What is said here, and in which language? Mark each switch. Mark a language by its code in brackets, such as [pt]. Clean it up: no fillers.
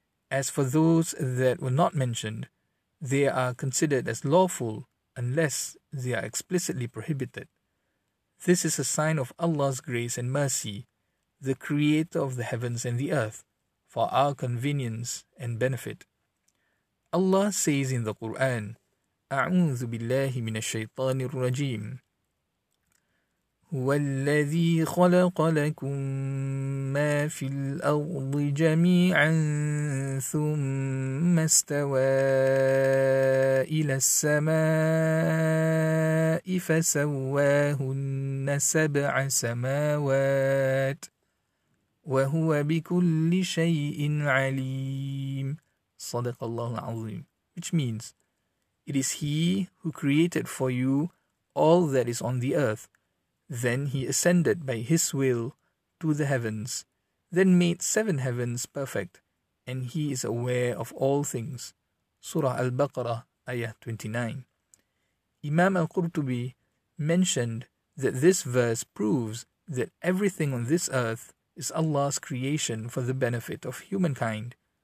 [en] As for those that were not mentioned, they are considered as lawful unless they are explicitly prohibited. This is a sign of Allah's grace and mercy, the Creator of the heavens and the earth, for our convenience and benefit. Allah says in the Quran, [ar] أعوذ بالله من الشيطان الرجيم هو الذي خلق لكم ما في الأرض جميعا ثم استوى إلى السماء فسواهن سبع سماوات وَهُوَ بِكُلِّ شَيْءٍ عَلِيمٌ صَدَقَ اللَّهُ الْعَظِيمُ. [en] Which means, it is He who created for you all that is on the earth. Then He ascended by His will to the heavens, then made seven heavens perfect, and He is aware of all things. Surah Al-Baqarah, Ayah 29. Imam Al-Qurtubi mentioned that this verse proves that everything on this earth is Allah's creation for the benefit of humankind.